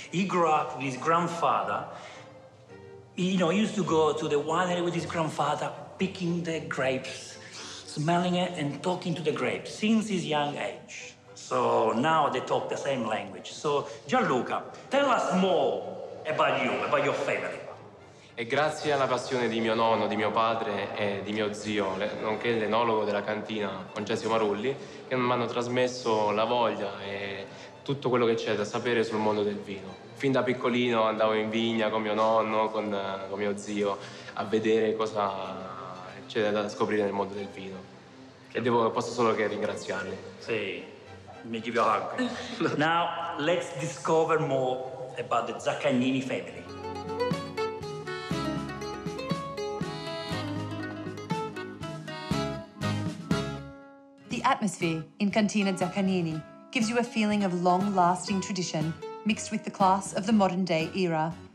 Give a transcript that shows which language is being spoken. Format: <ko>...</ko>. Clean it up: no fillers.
<en>He grew up with his grandfather. You know, he used to go to the winery with his grandfather, picking the grapes, smelling it and talking to the grapes since his young age. So now they talk the same language. So Gianluca, tell us more about you, about your family.</en> <it>E grazie alla passione di mio nonno, di mio padre e di mio zio, nonché l'enologo della cantina, Concesio Marulli, che mi hanno trasmesso la voglia e tutto quello che c'è da sapere sul mondo del vino. Fin da piccolino andavo in vigna con mio nonno, con mio zio, a vedere cosa c'è da scoprire nel mondo del vino. E posso solo che ringraziarli. Sì.</it> <en>Mi give you a hug. Now, let's discover more about the Zaccagnini family. The atmosphere in Cantina Zaccagnini gives you a feeling of long-lasting tradition mixed with the class of the modern-day era.</en>